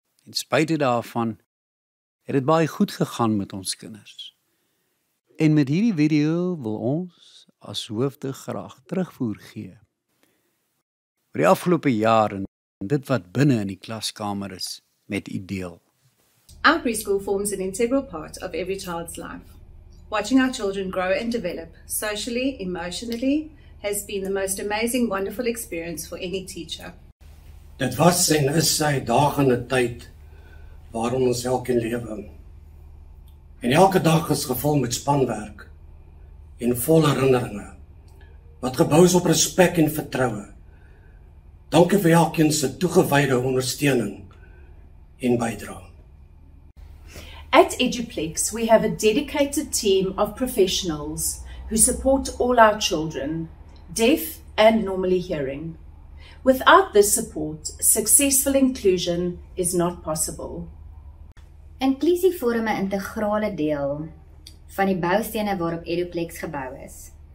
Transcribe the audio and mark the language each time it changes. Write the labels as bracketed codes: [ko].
[af] En spite daarvan, het het baie goed gegaan met ons kinders. En met hierdie video wil ons as hoofde graag terugvoer gee. Oor die afgelope jaar en dit wat binne in die klaskamer is, met u deel. [en] Our preschool forms an integral part of every child's life. Watching our children grow and develop socially, emotionally, has been the most amazing, wonderful experience for any teacher. [af] Dit was en is sy dagende tyd waarin ons elkeen lewe. En elke dag is gevul met spanwerk en vol herinneringe, wat gebou is op respek en vertroue. Dankie vir elkeen se toegewyde ondersteuning en bydrae. [en] At Eduplex, we have a dedicated team of professionals who support all our children, deaf and normally hearing. Without this support, successful inclusion is not possible. [af] Inklusie vorm 'n integrale deel van die boustene waarop Eduplex gebou is.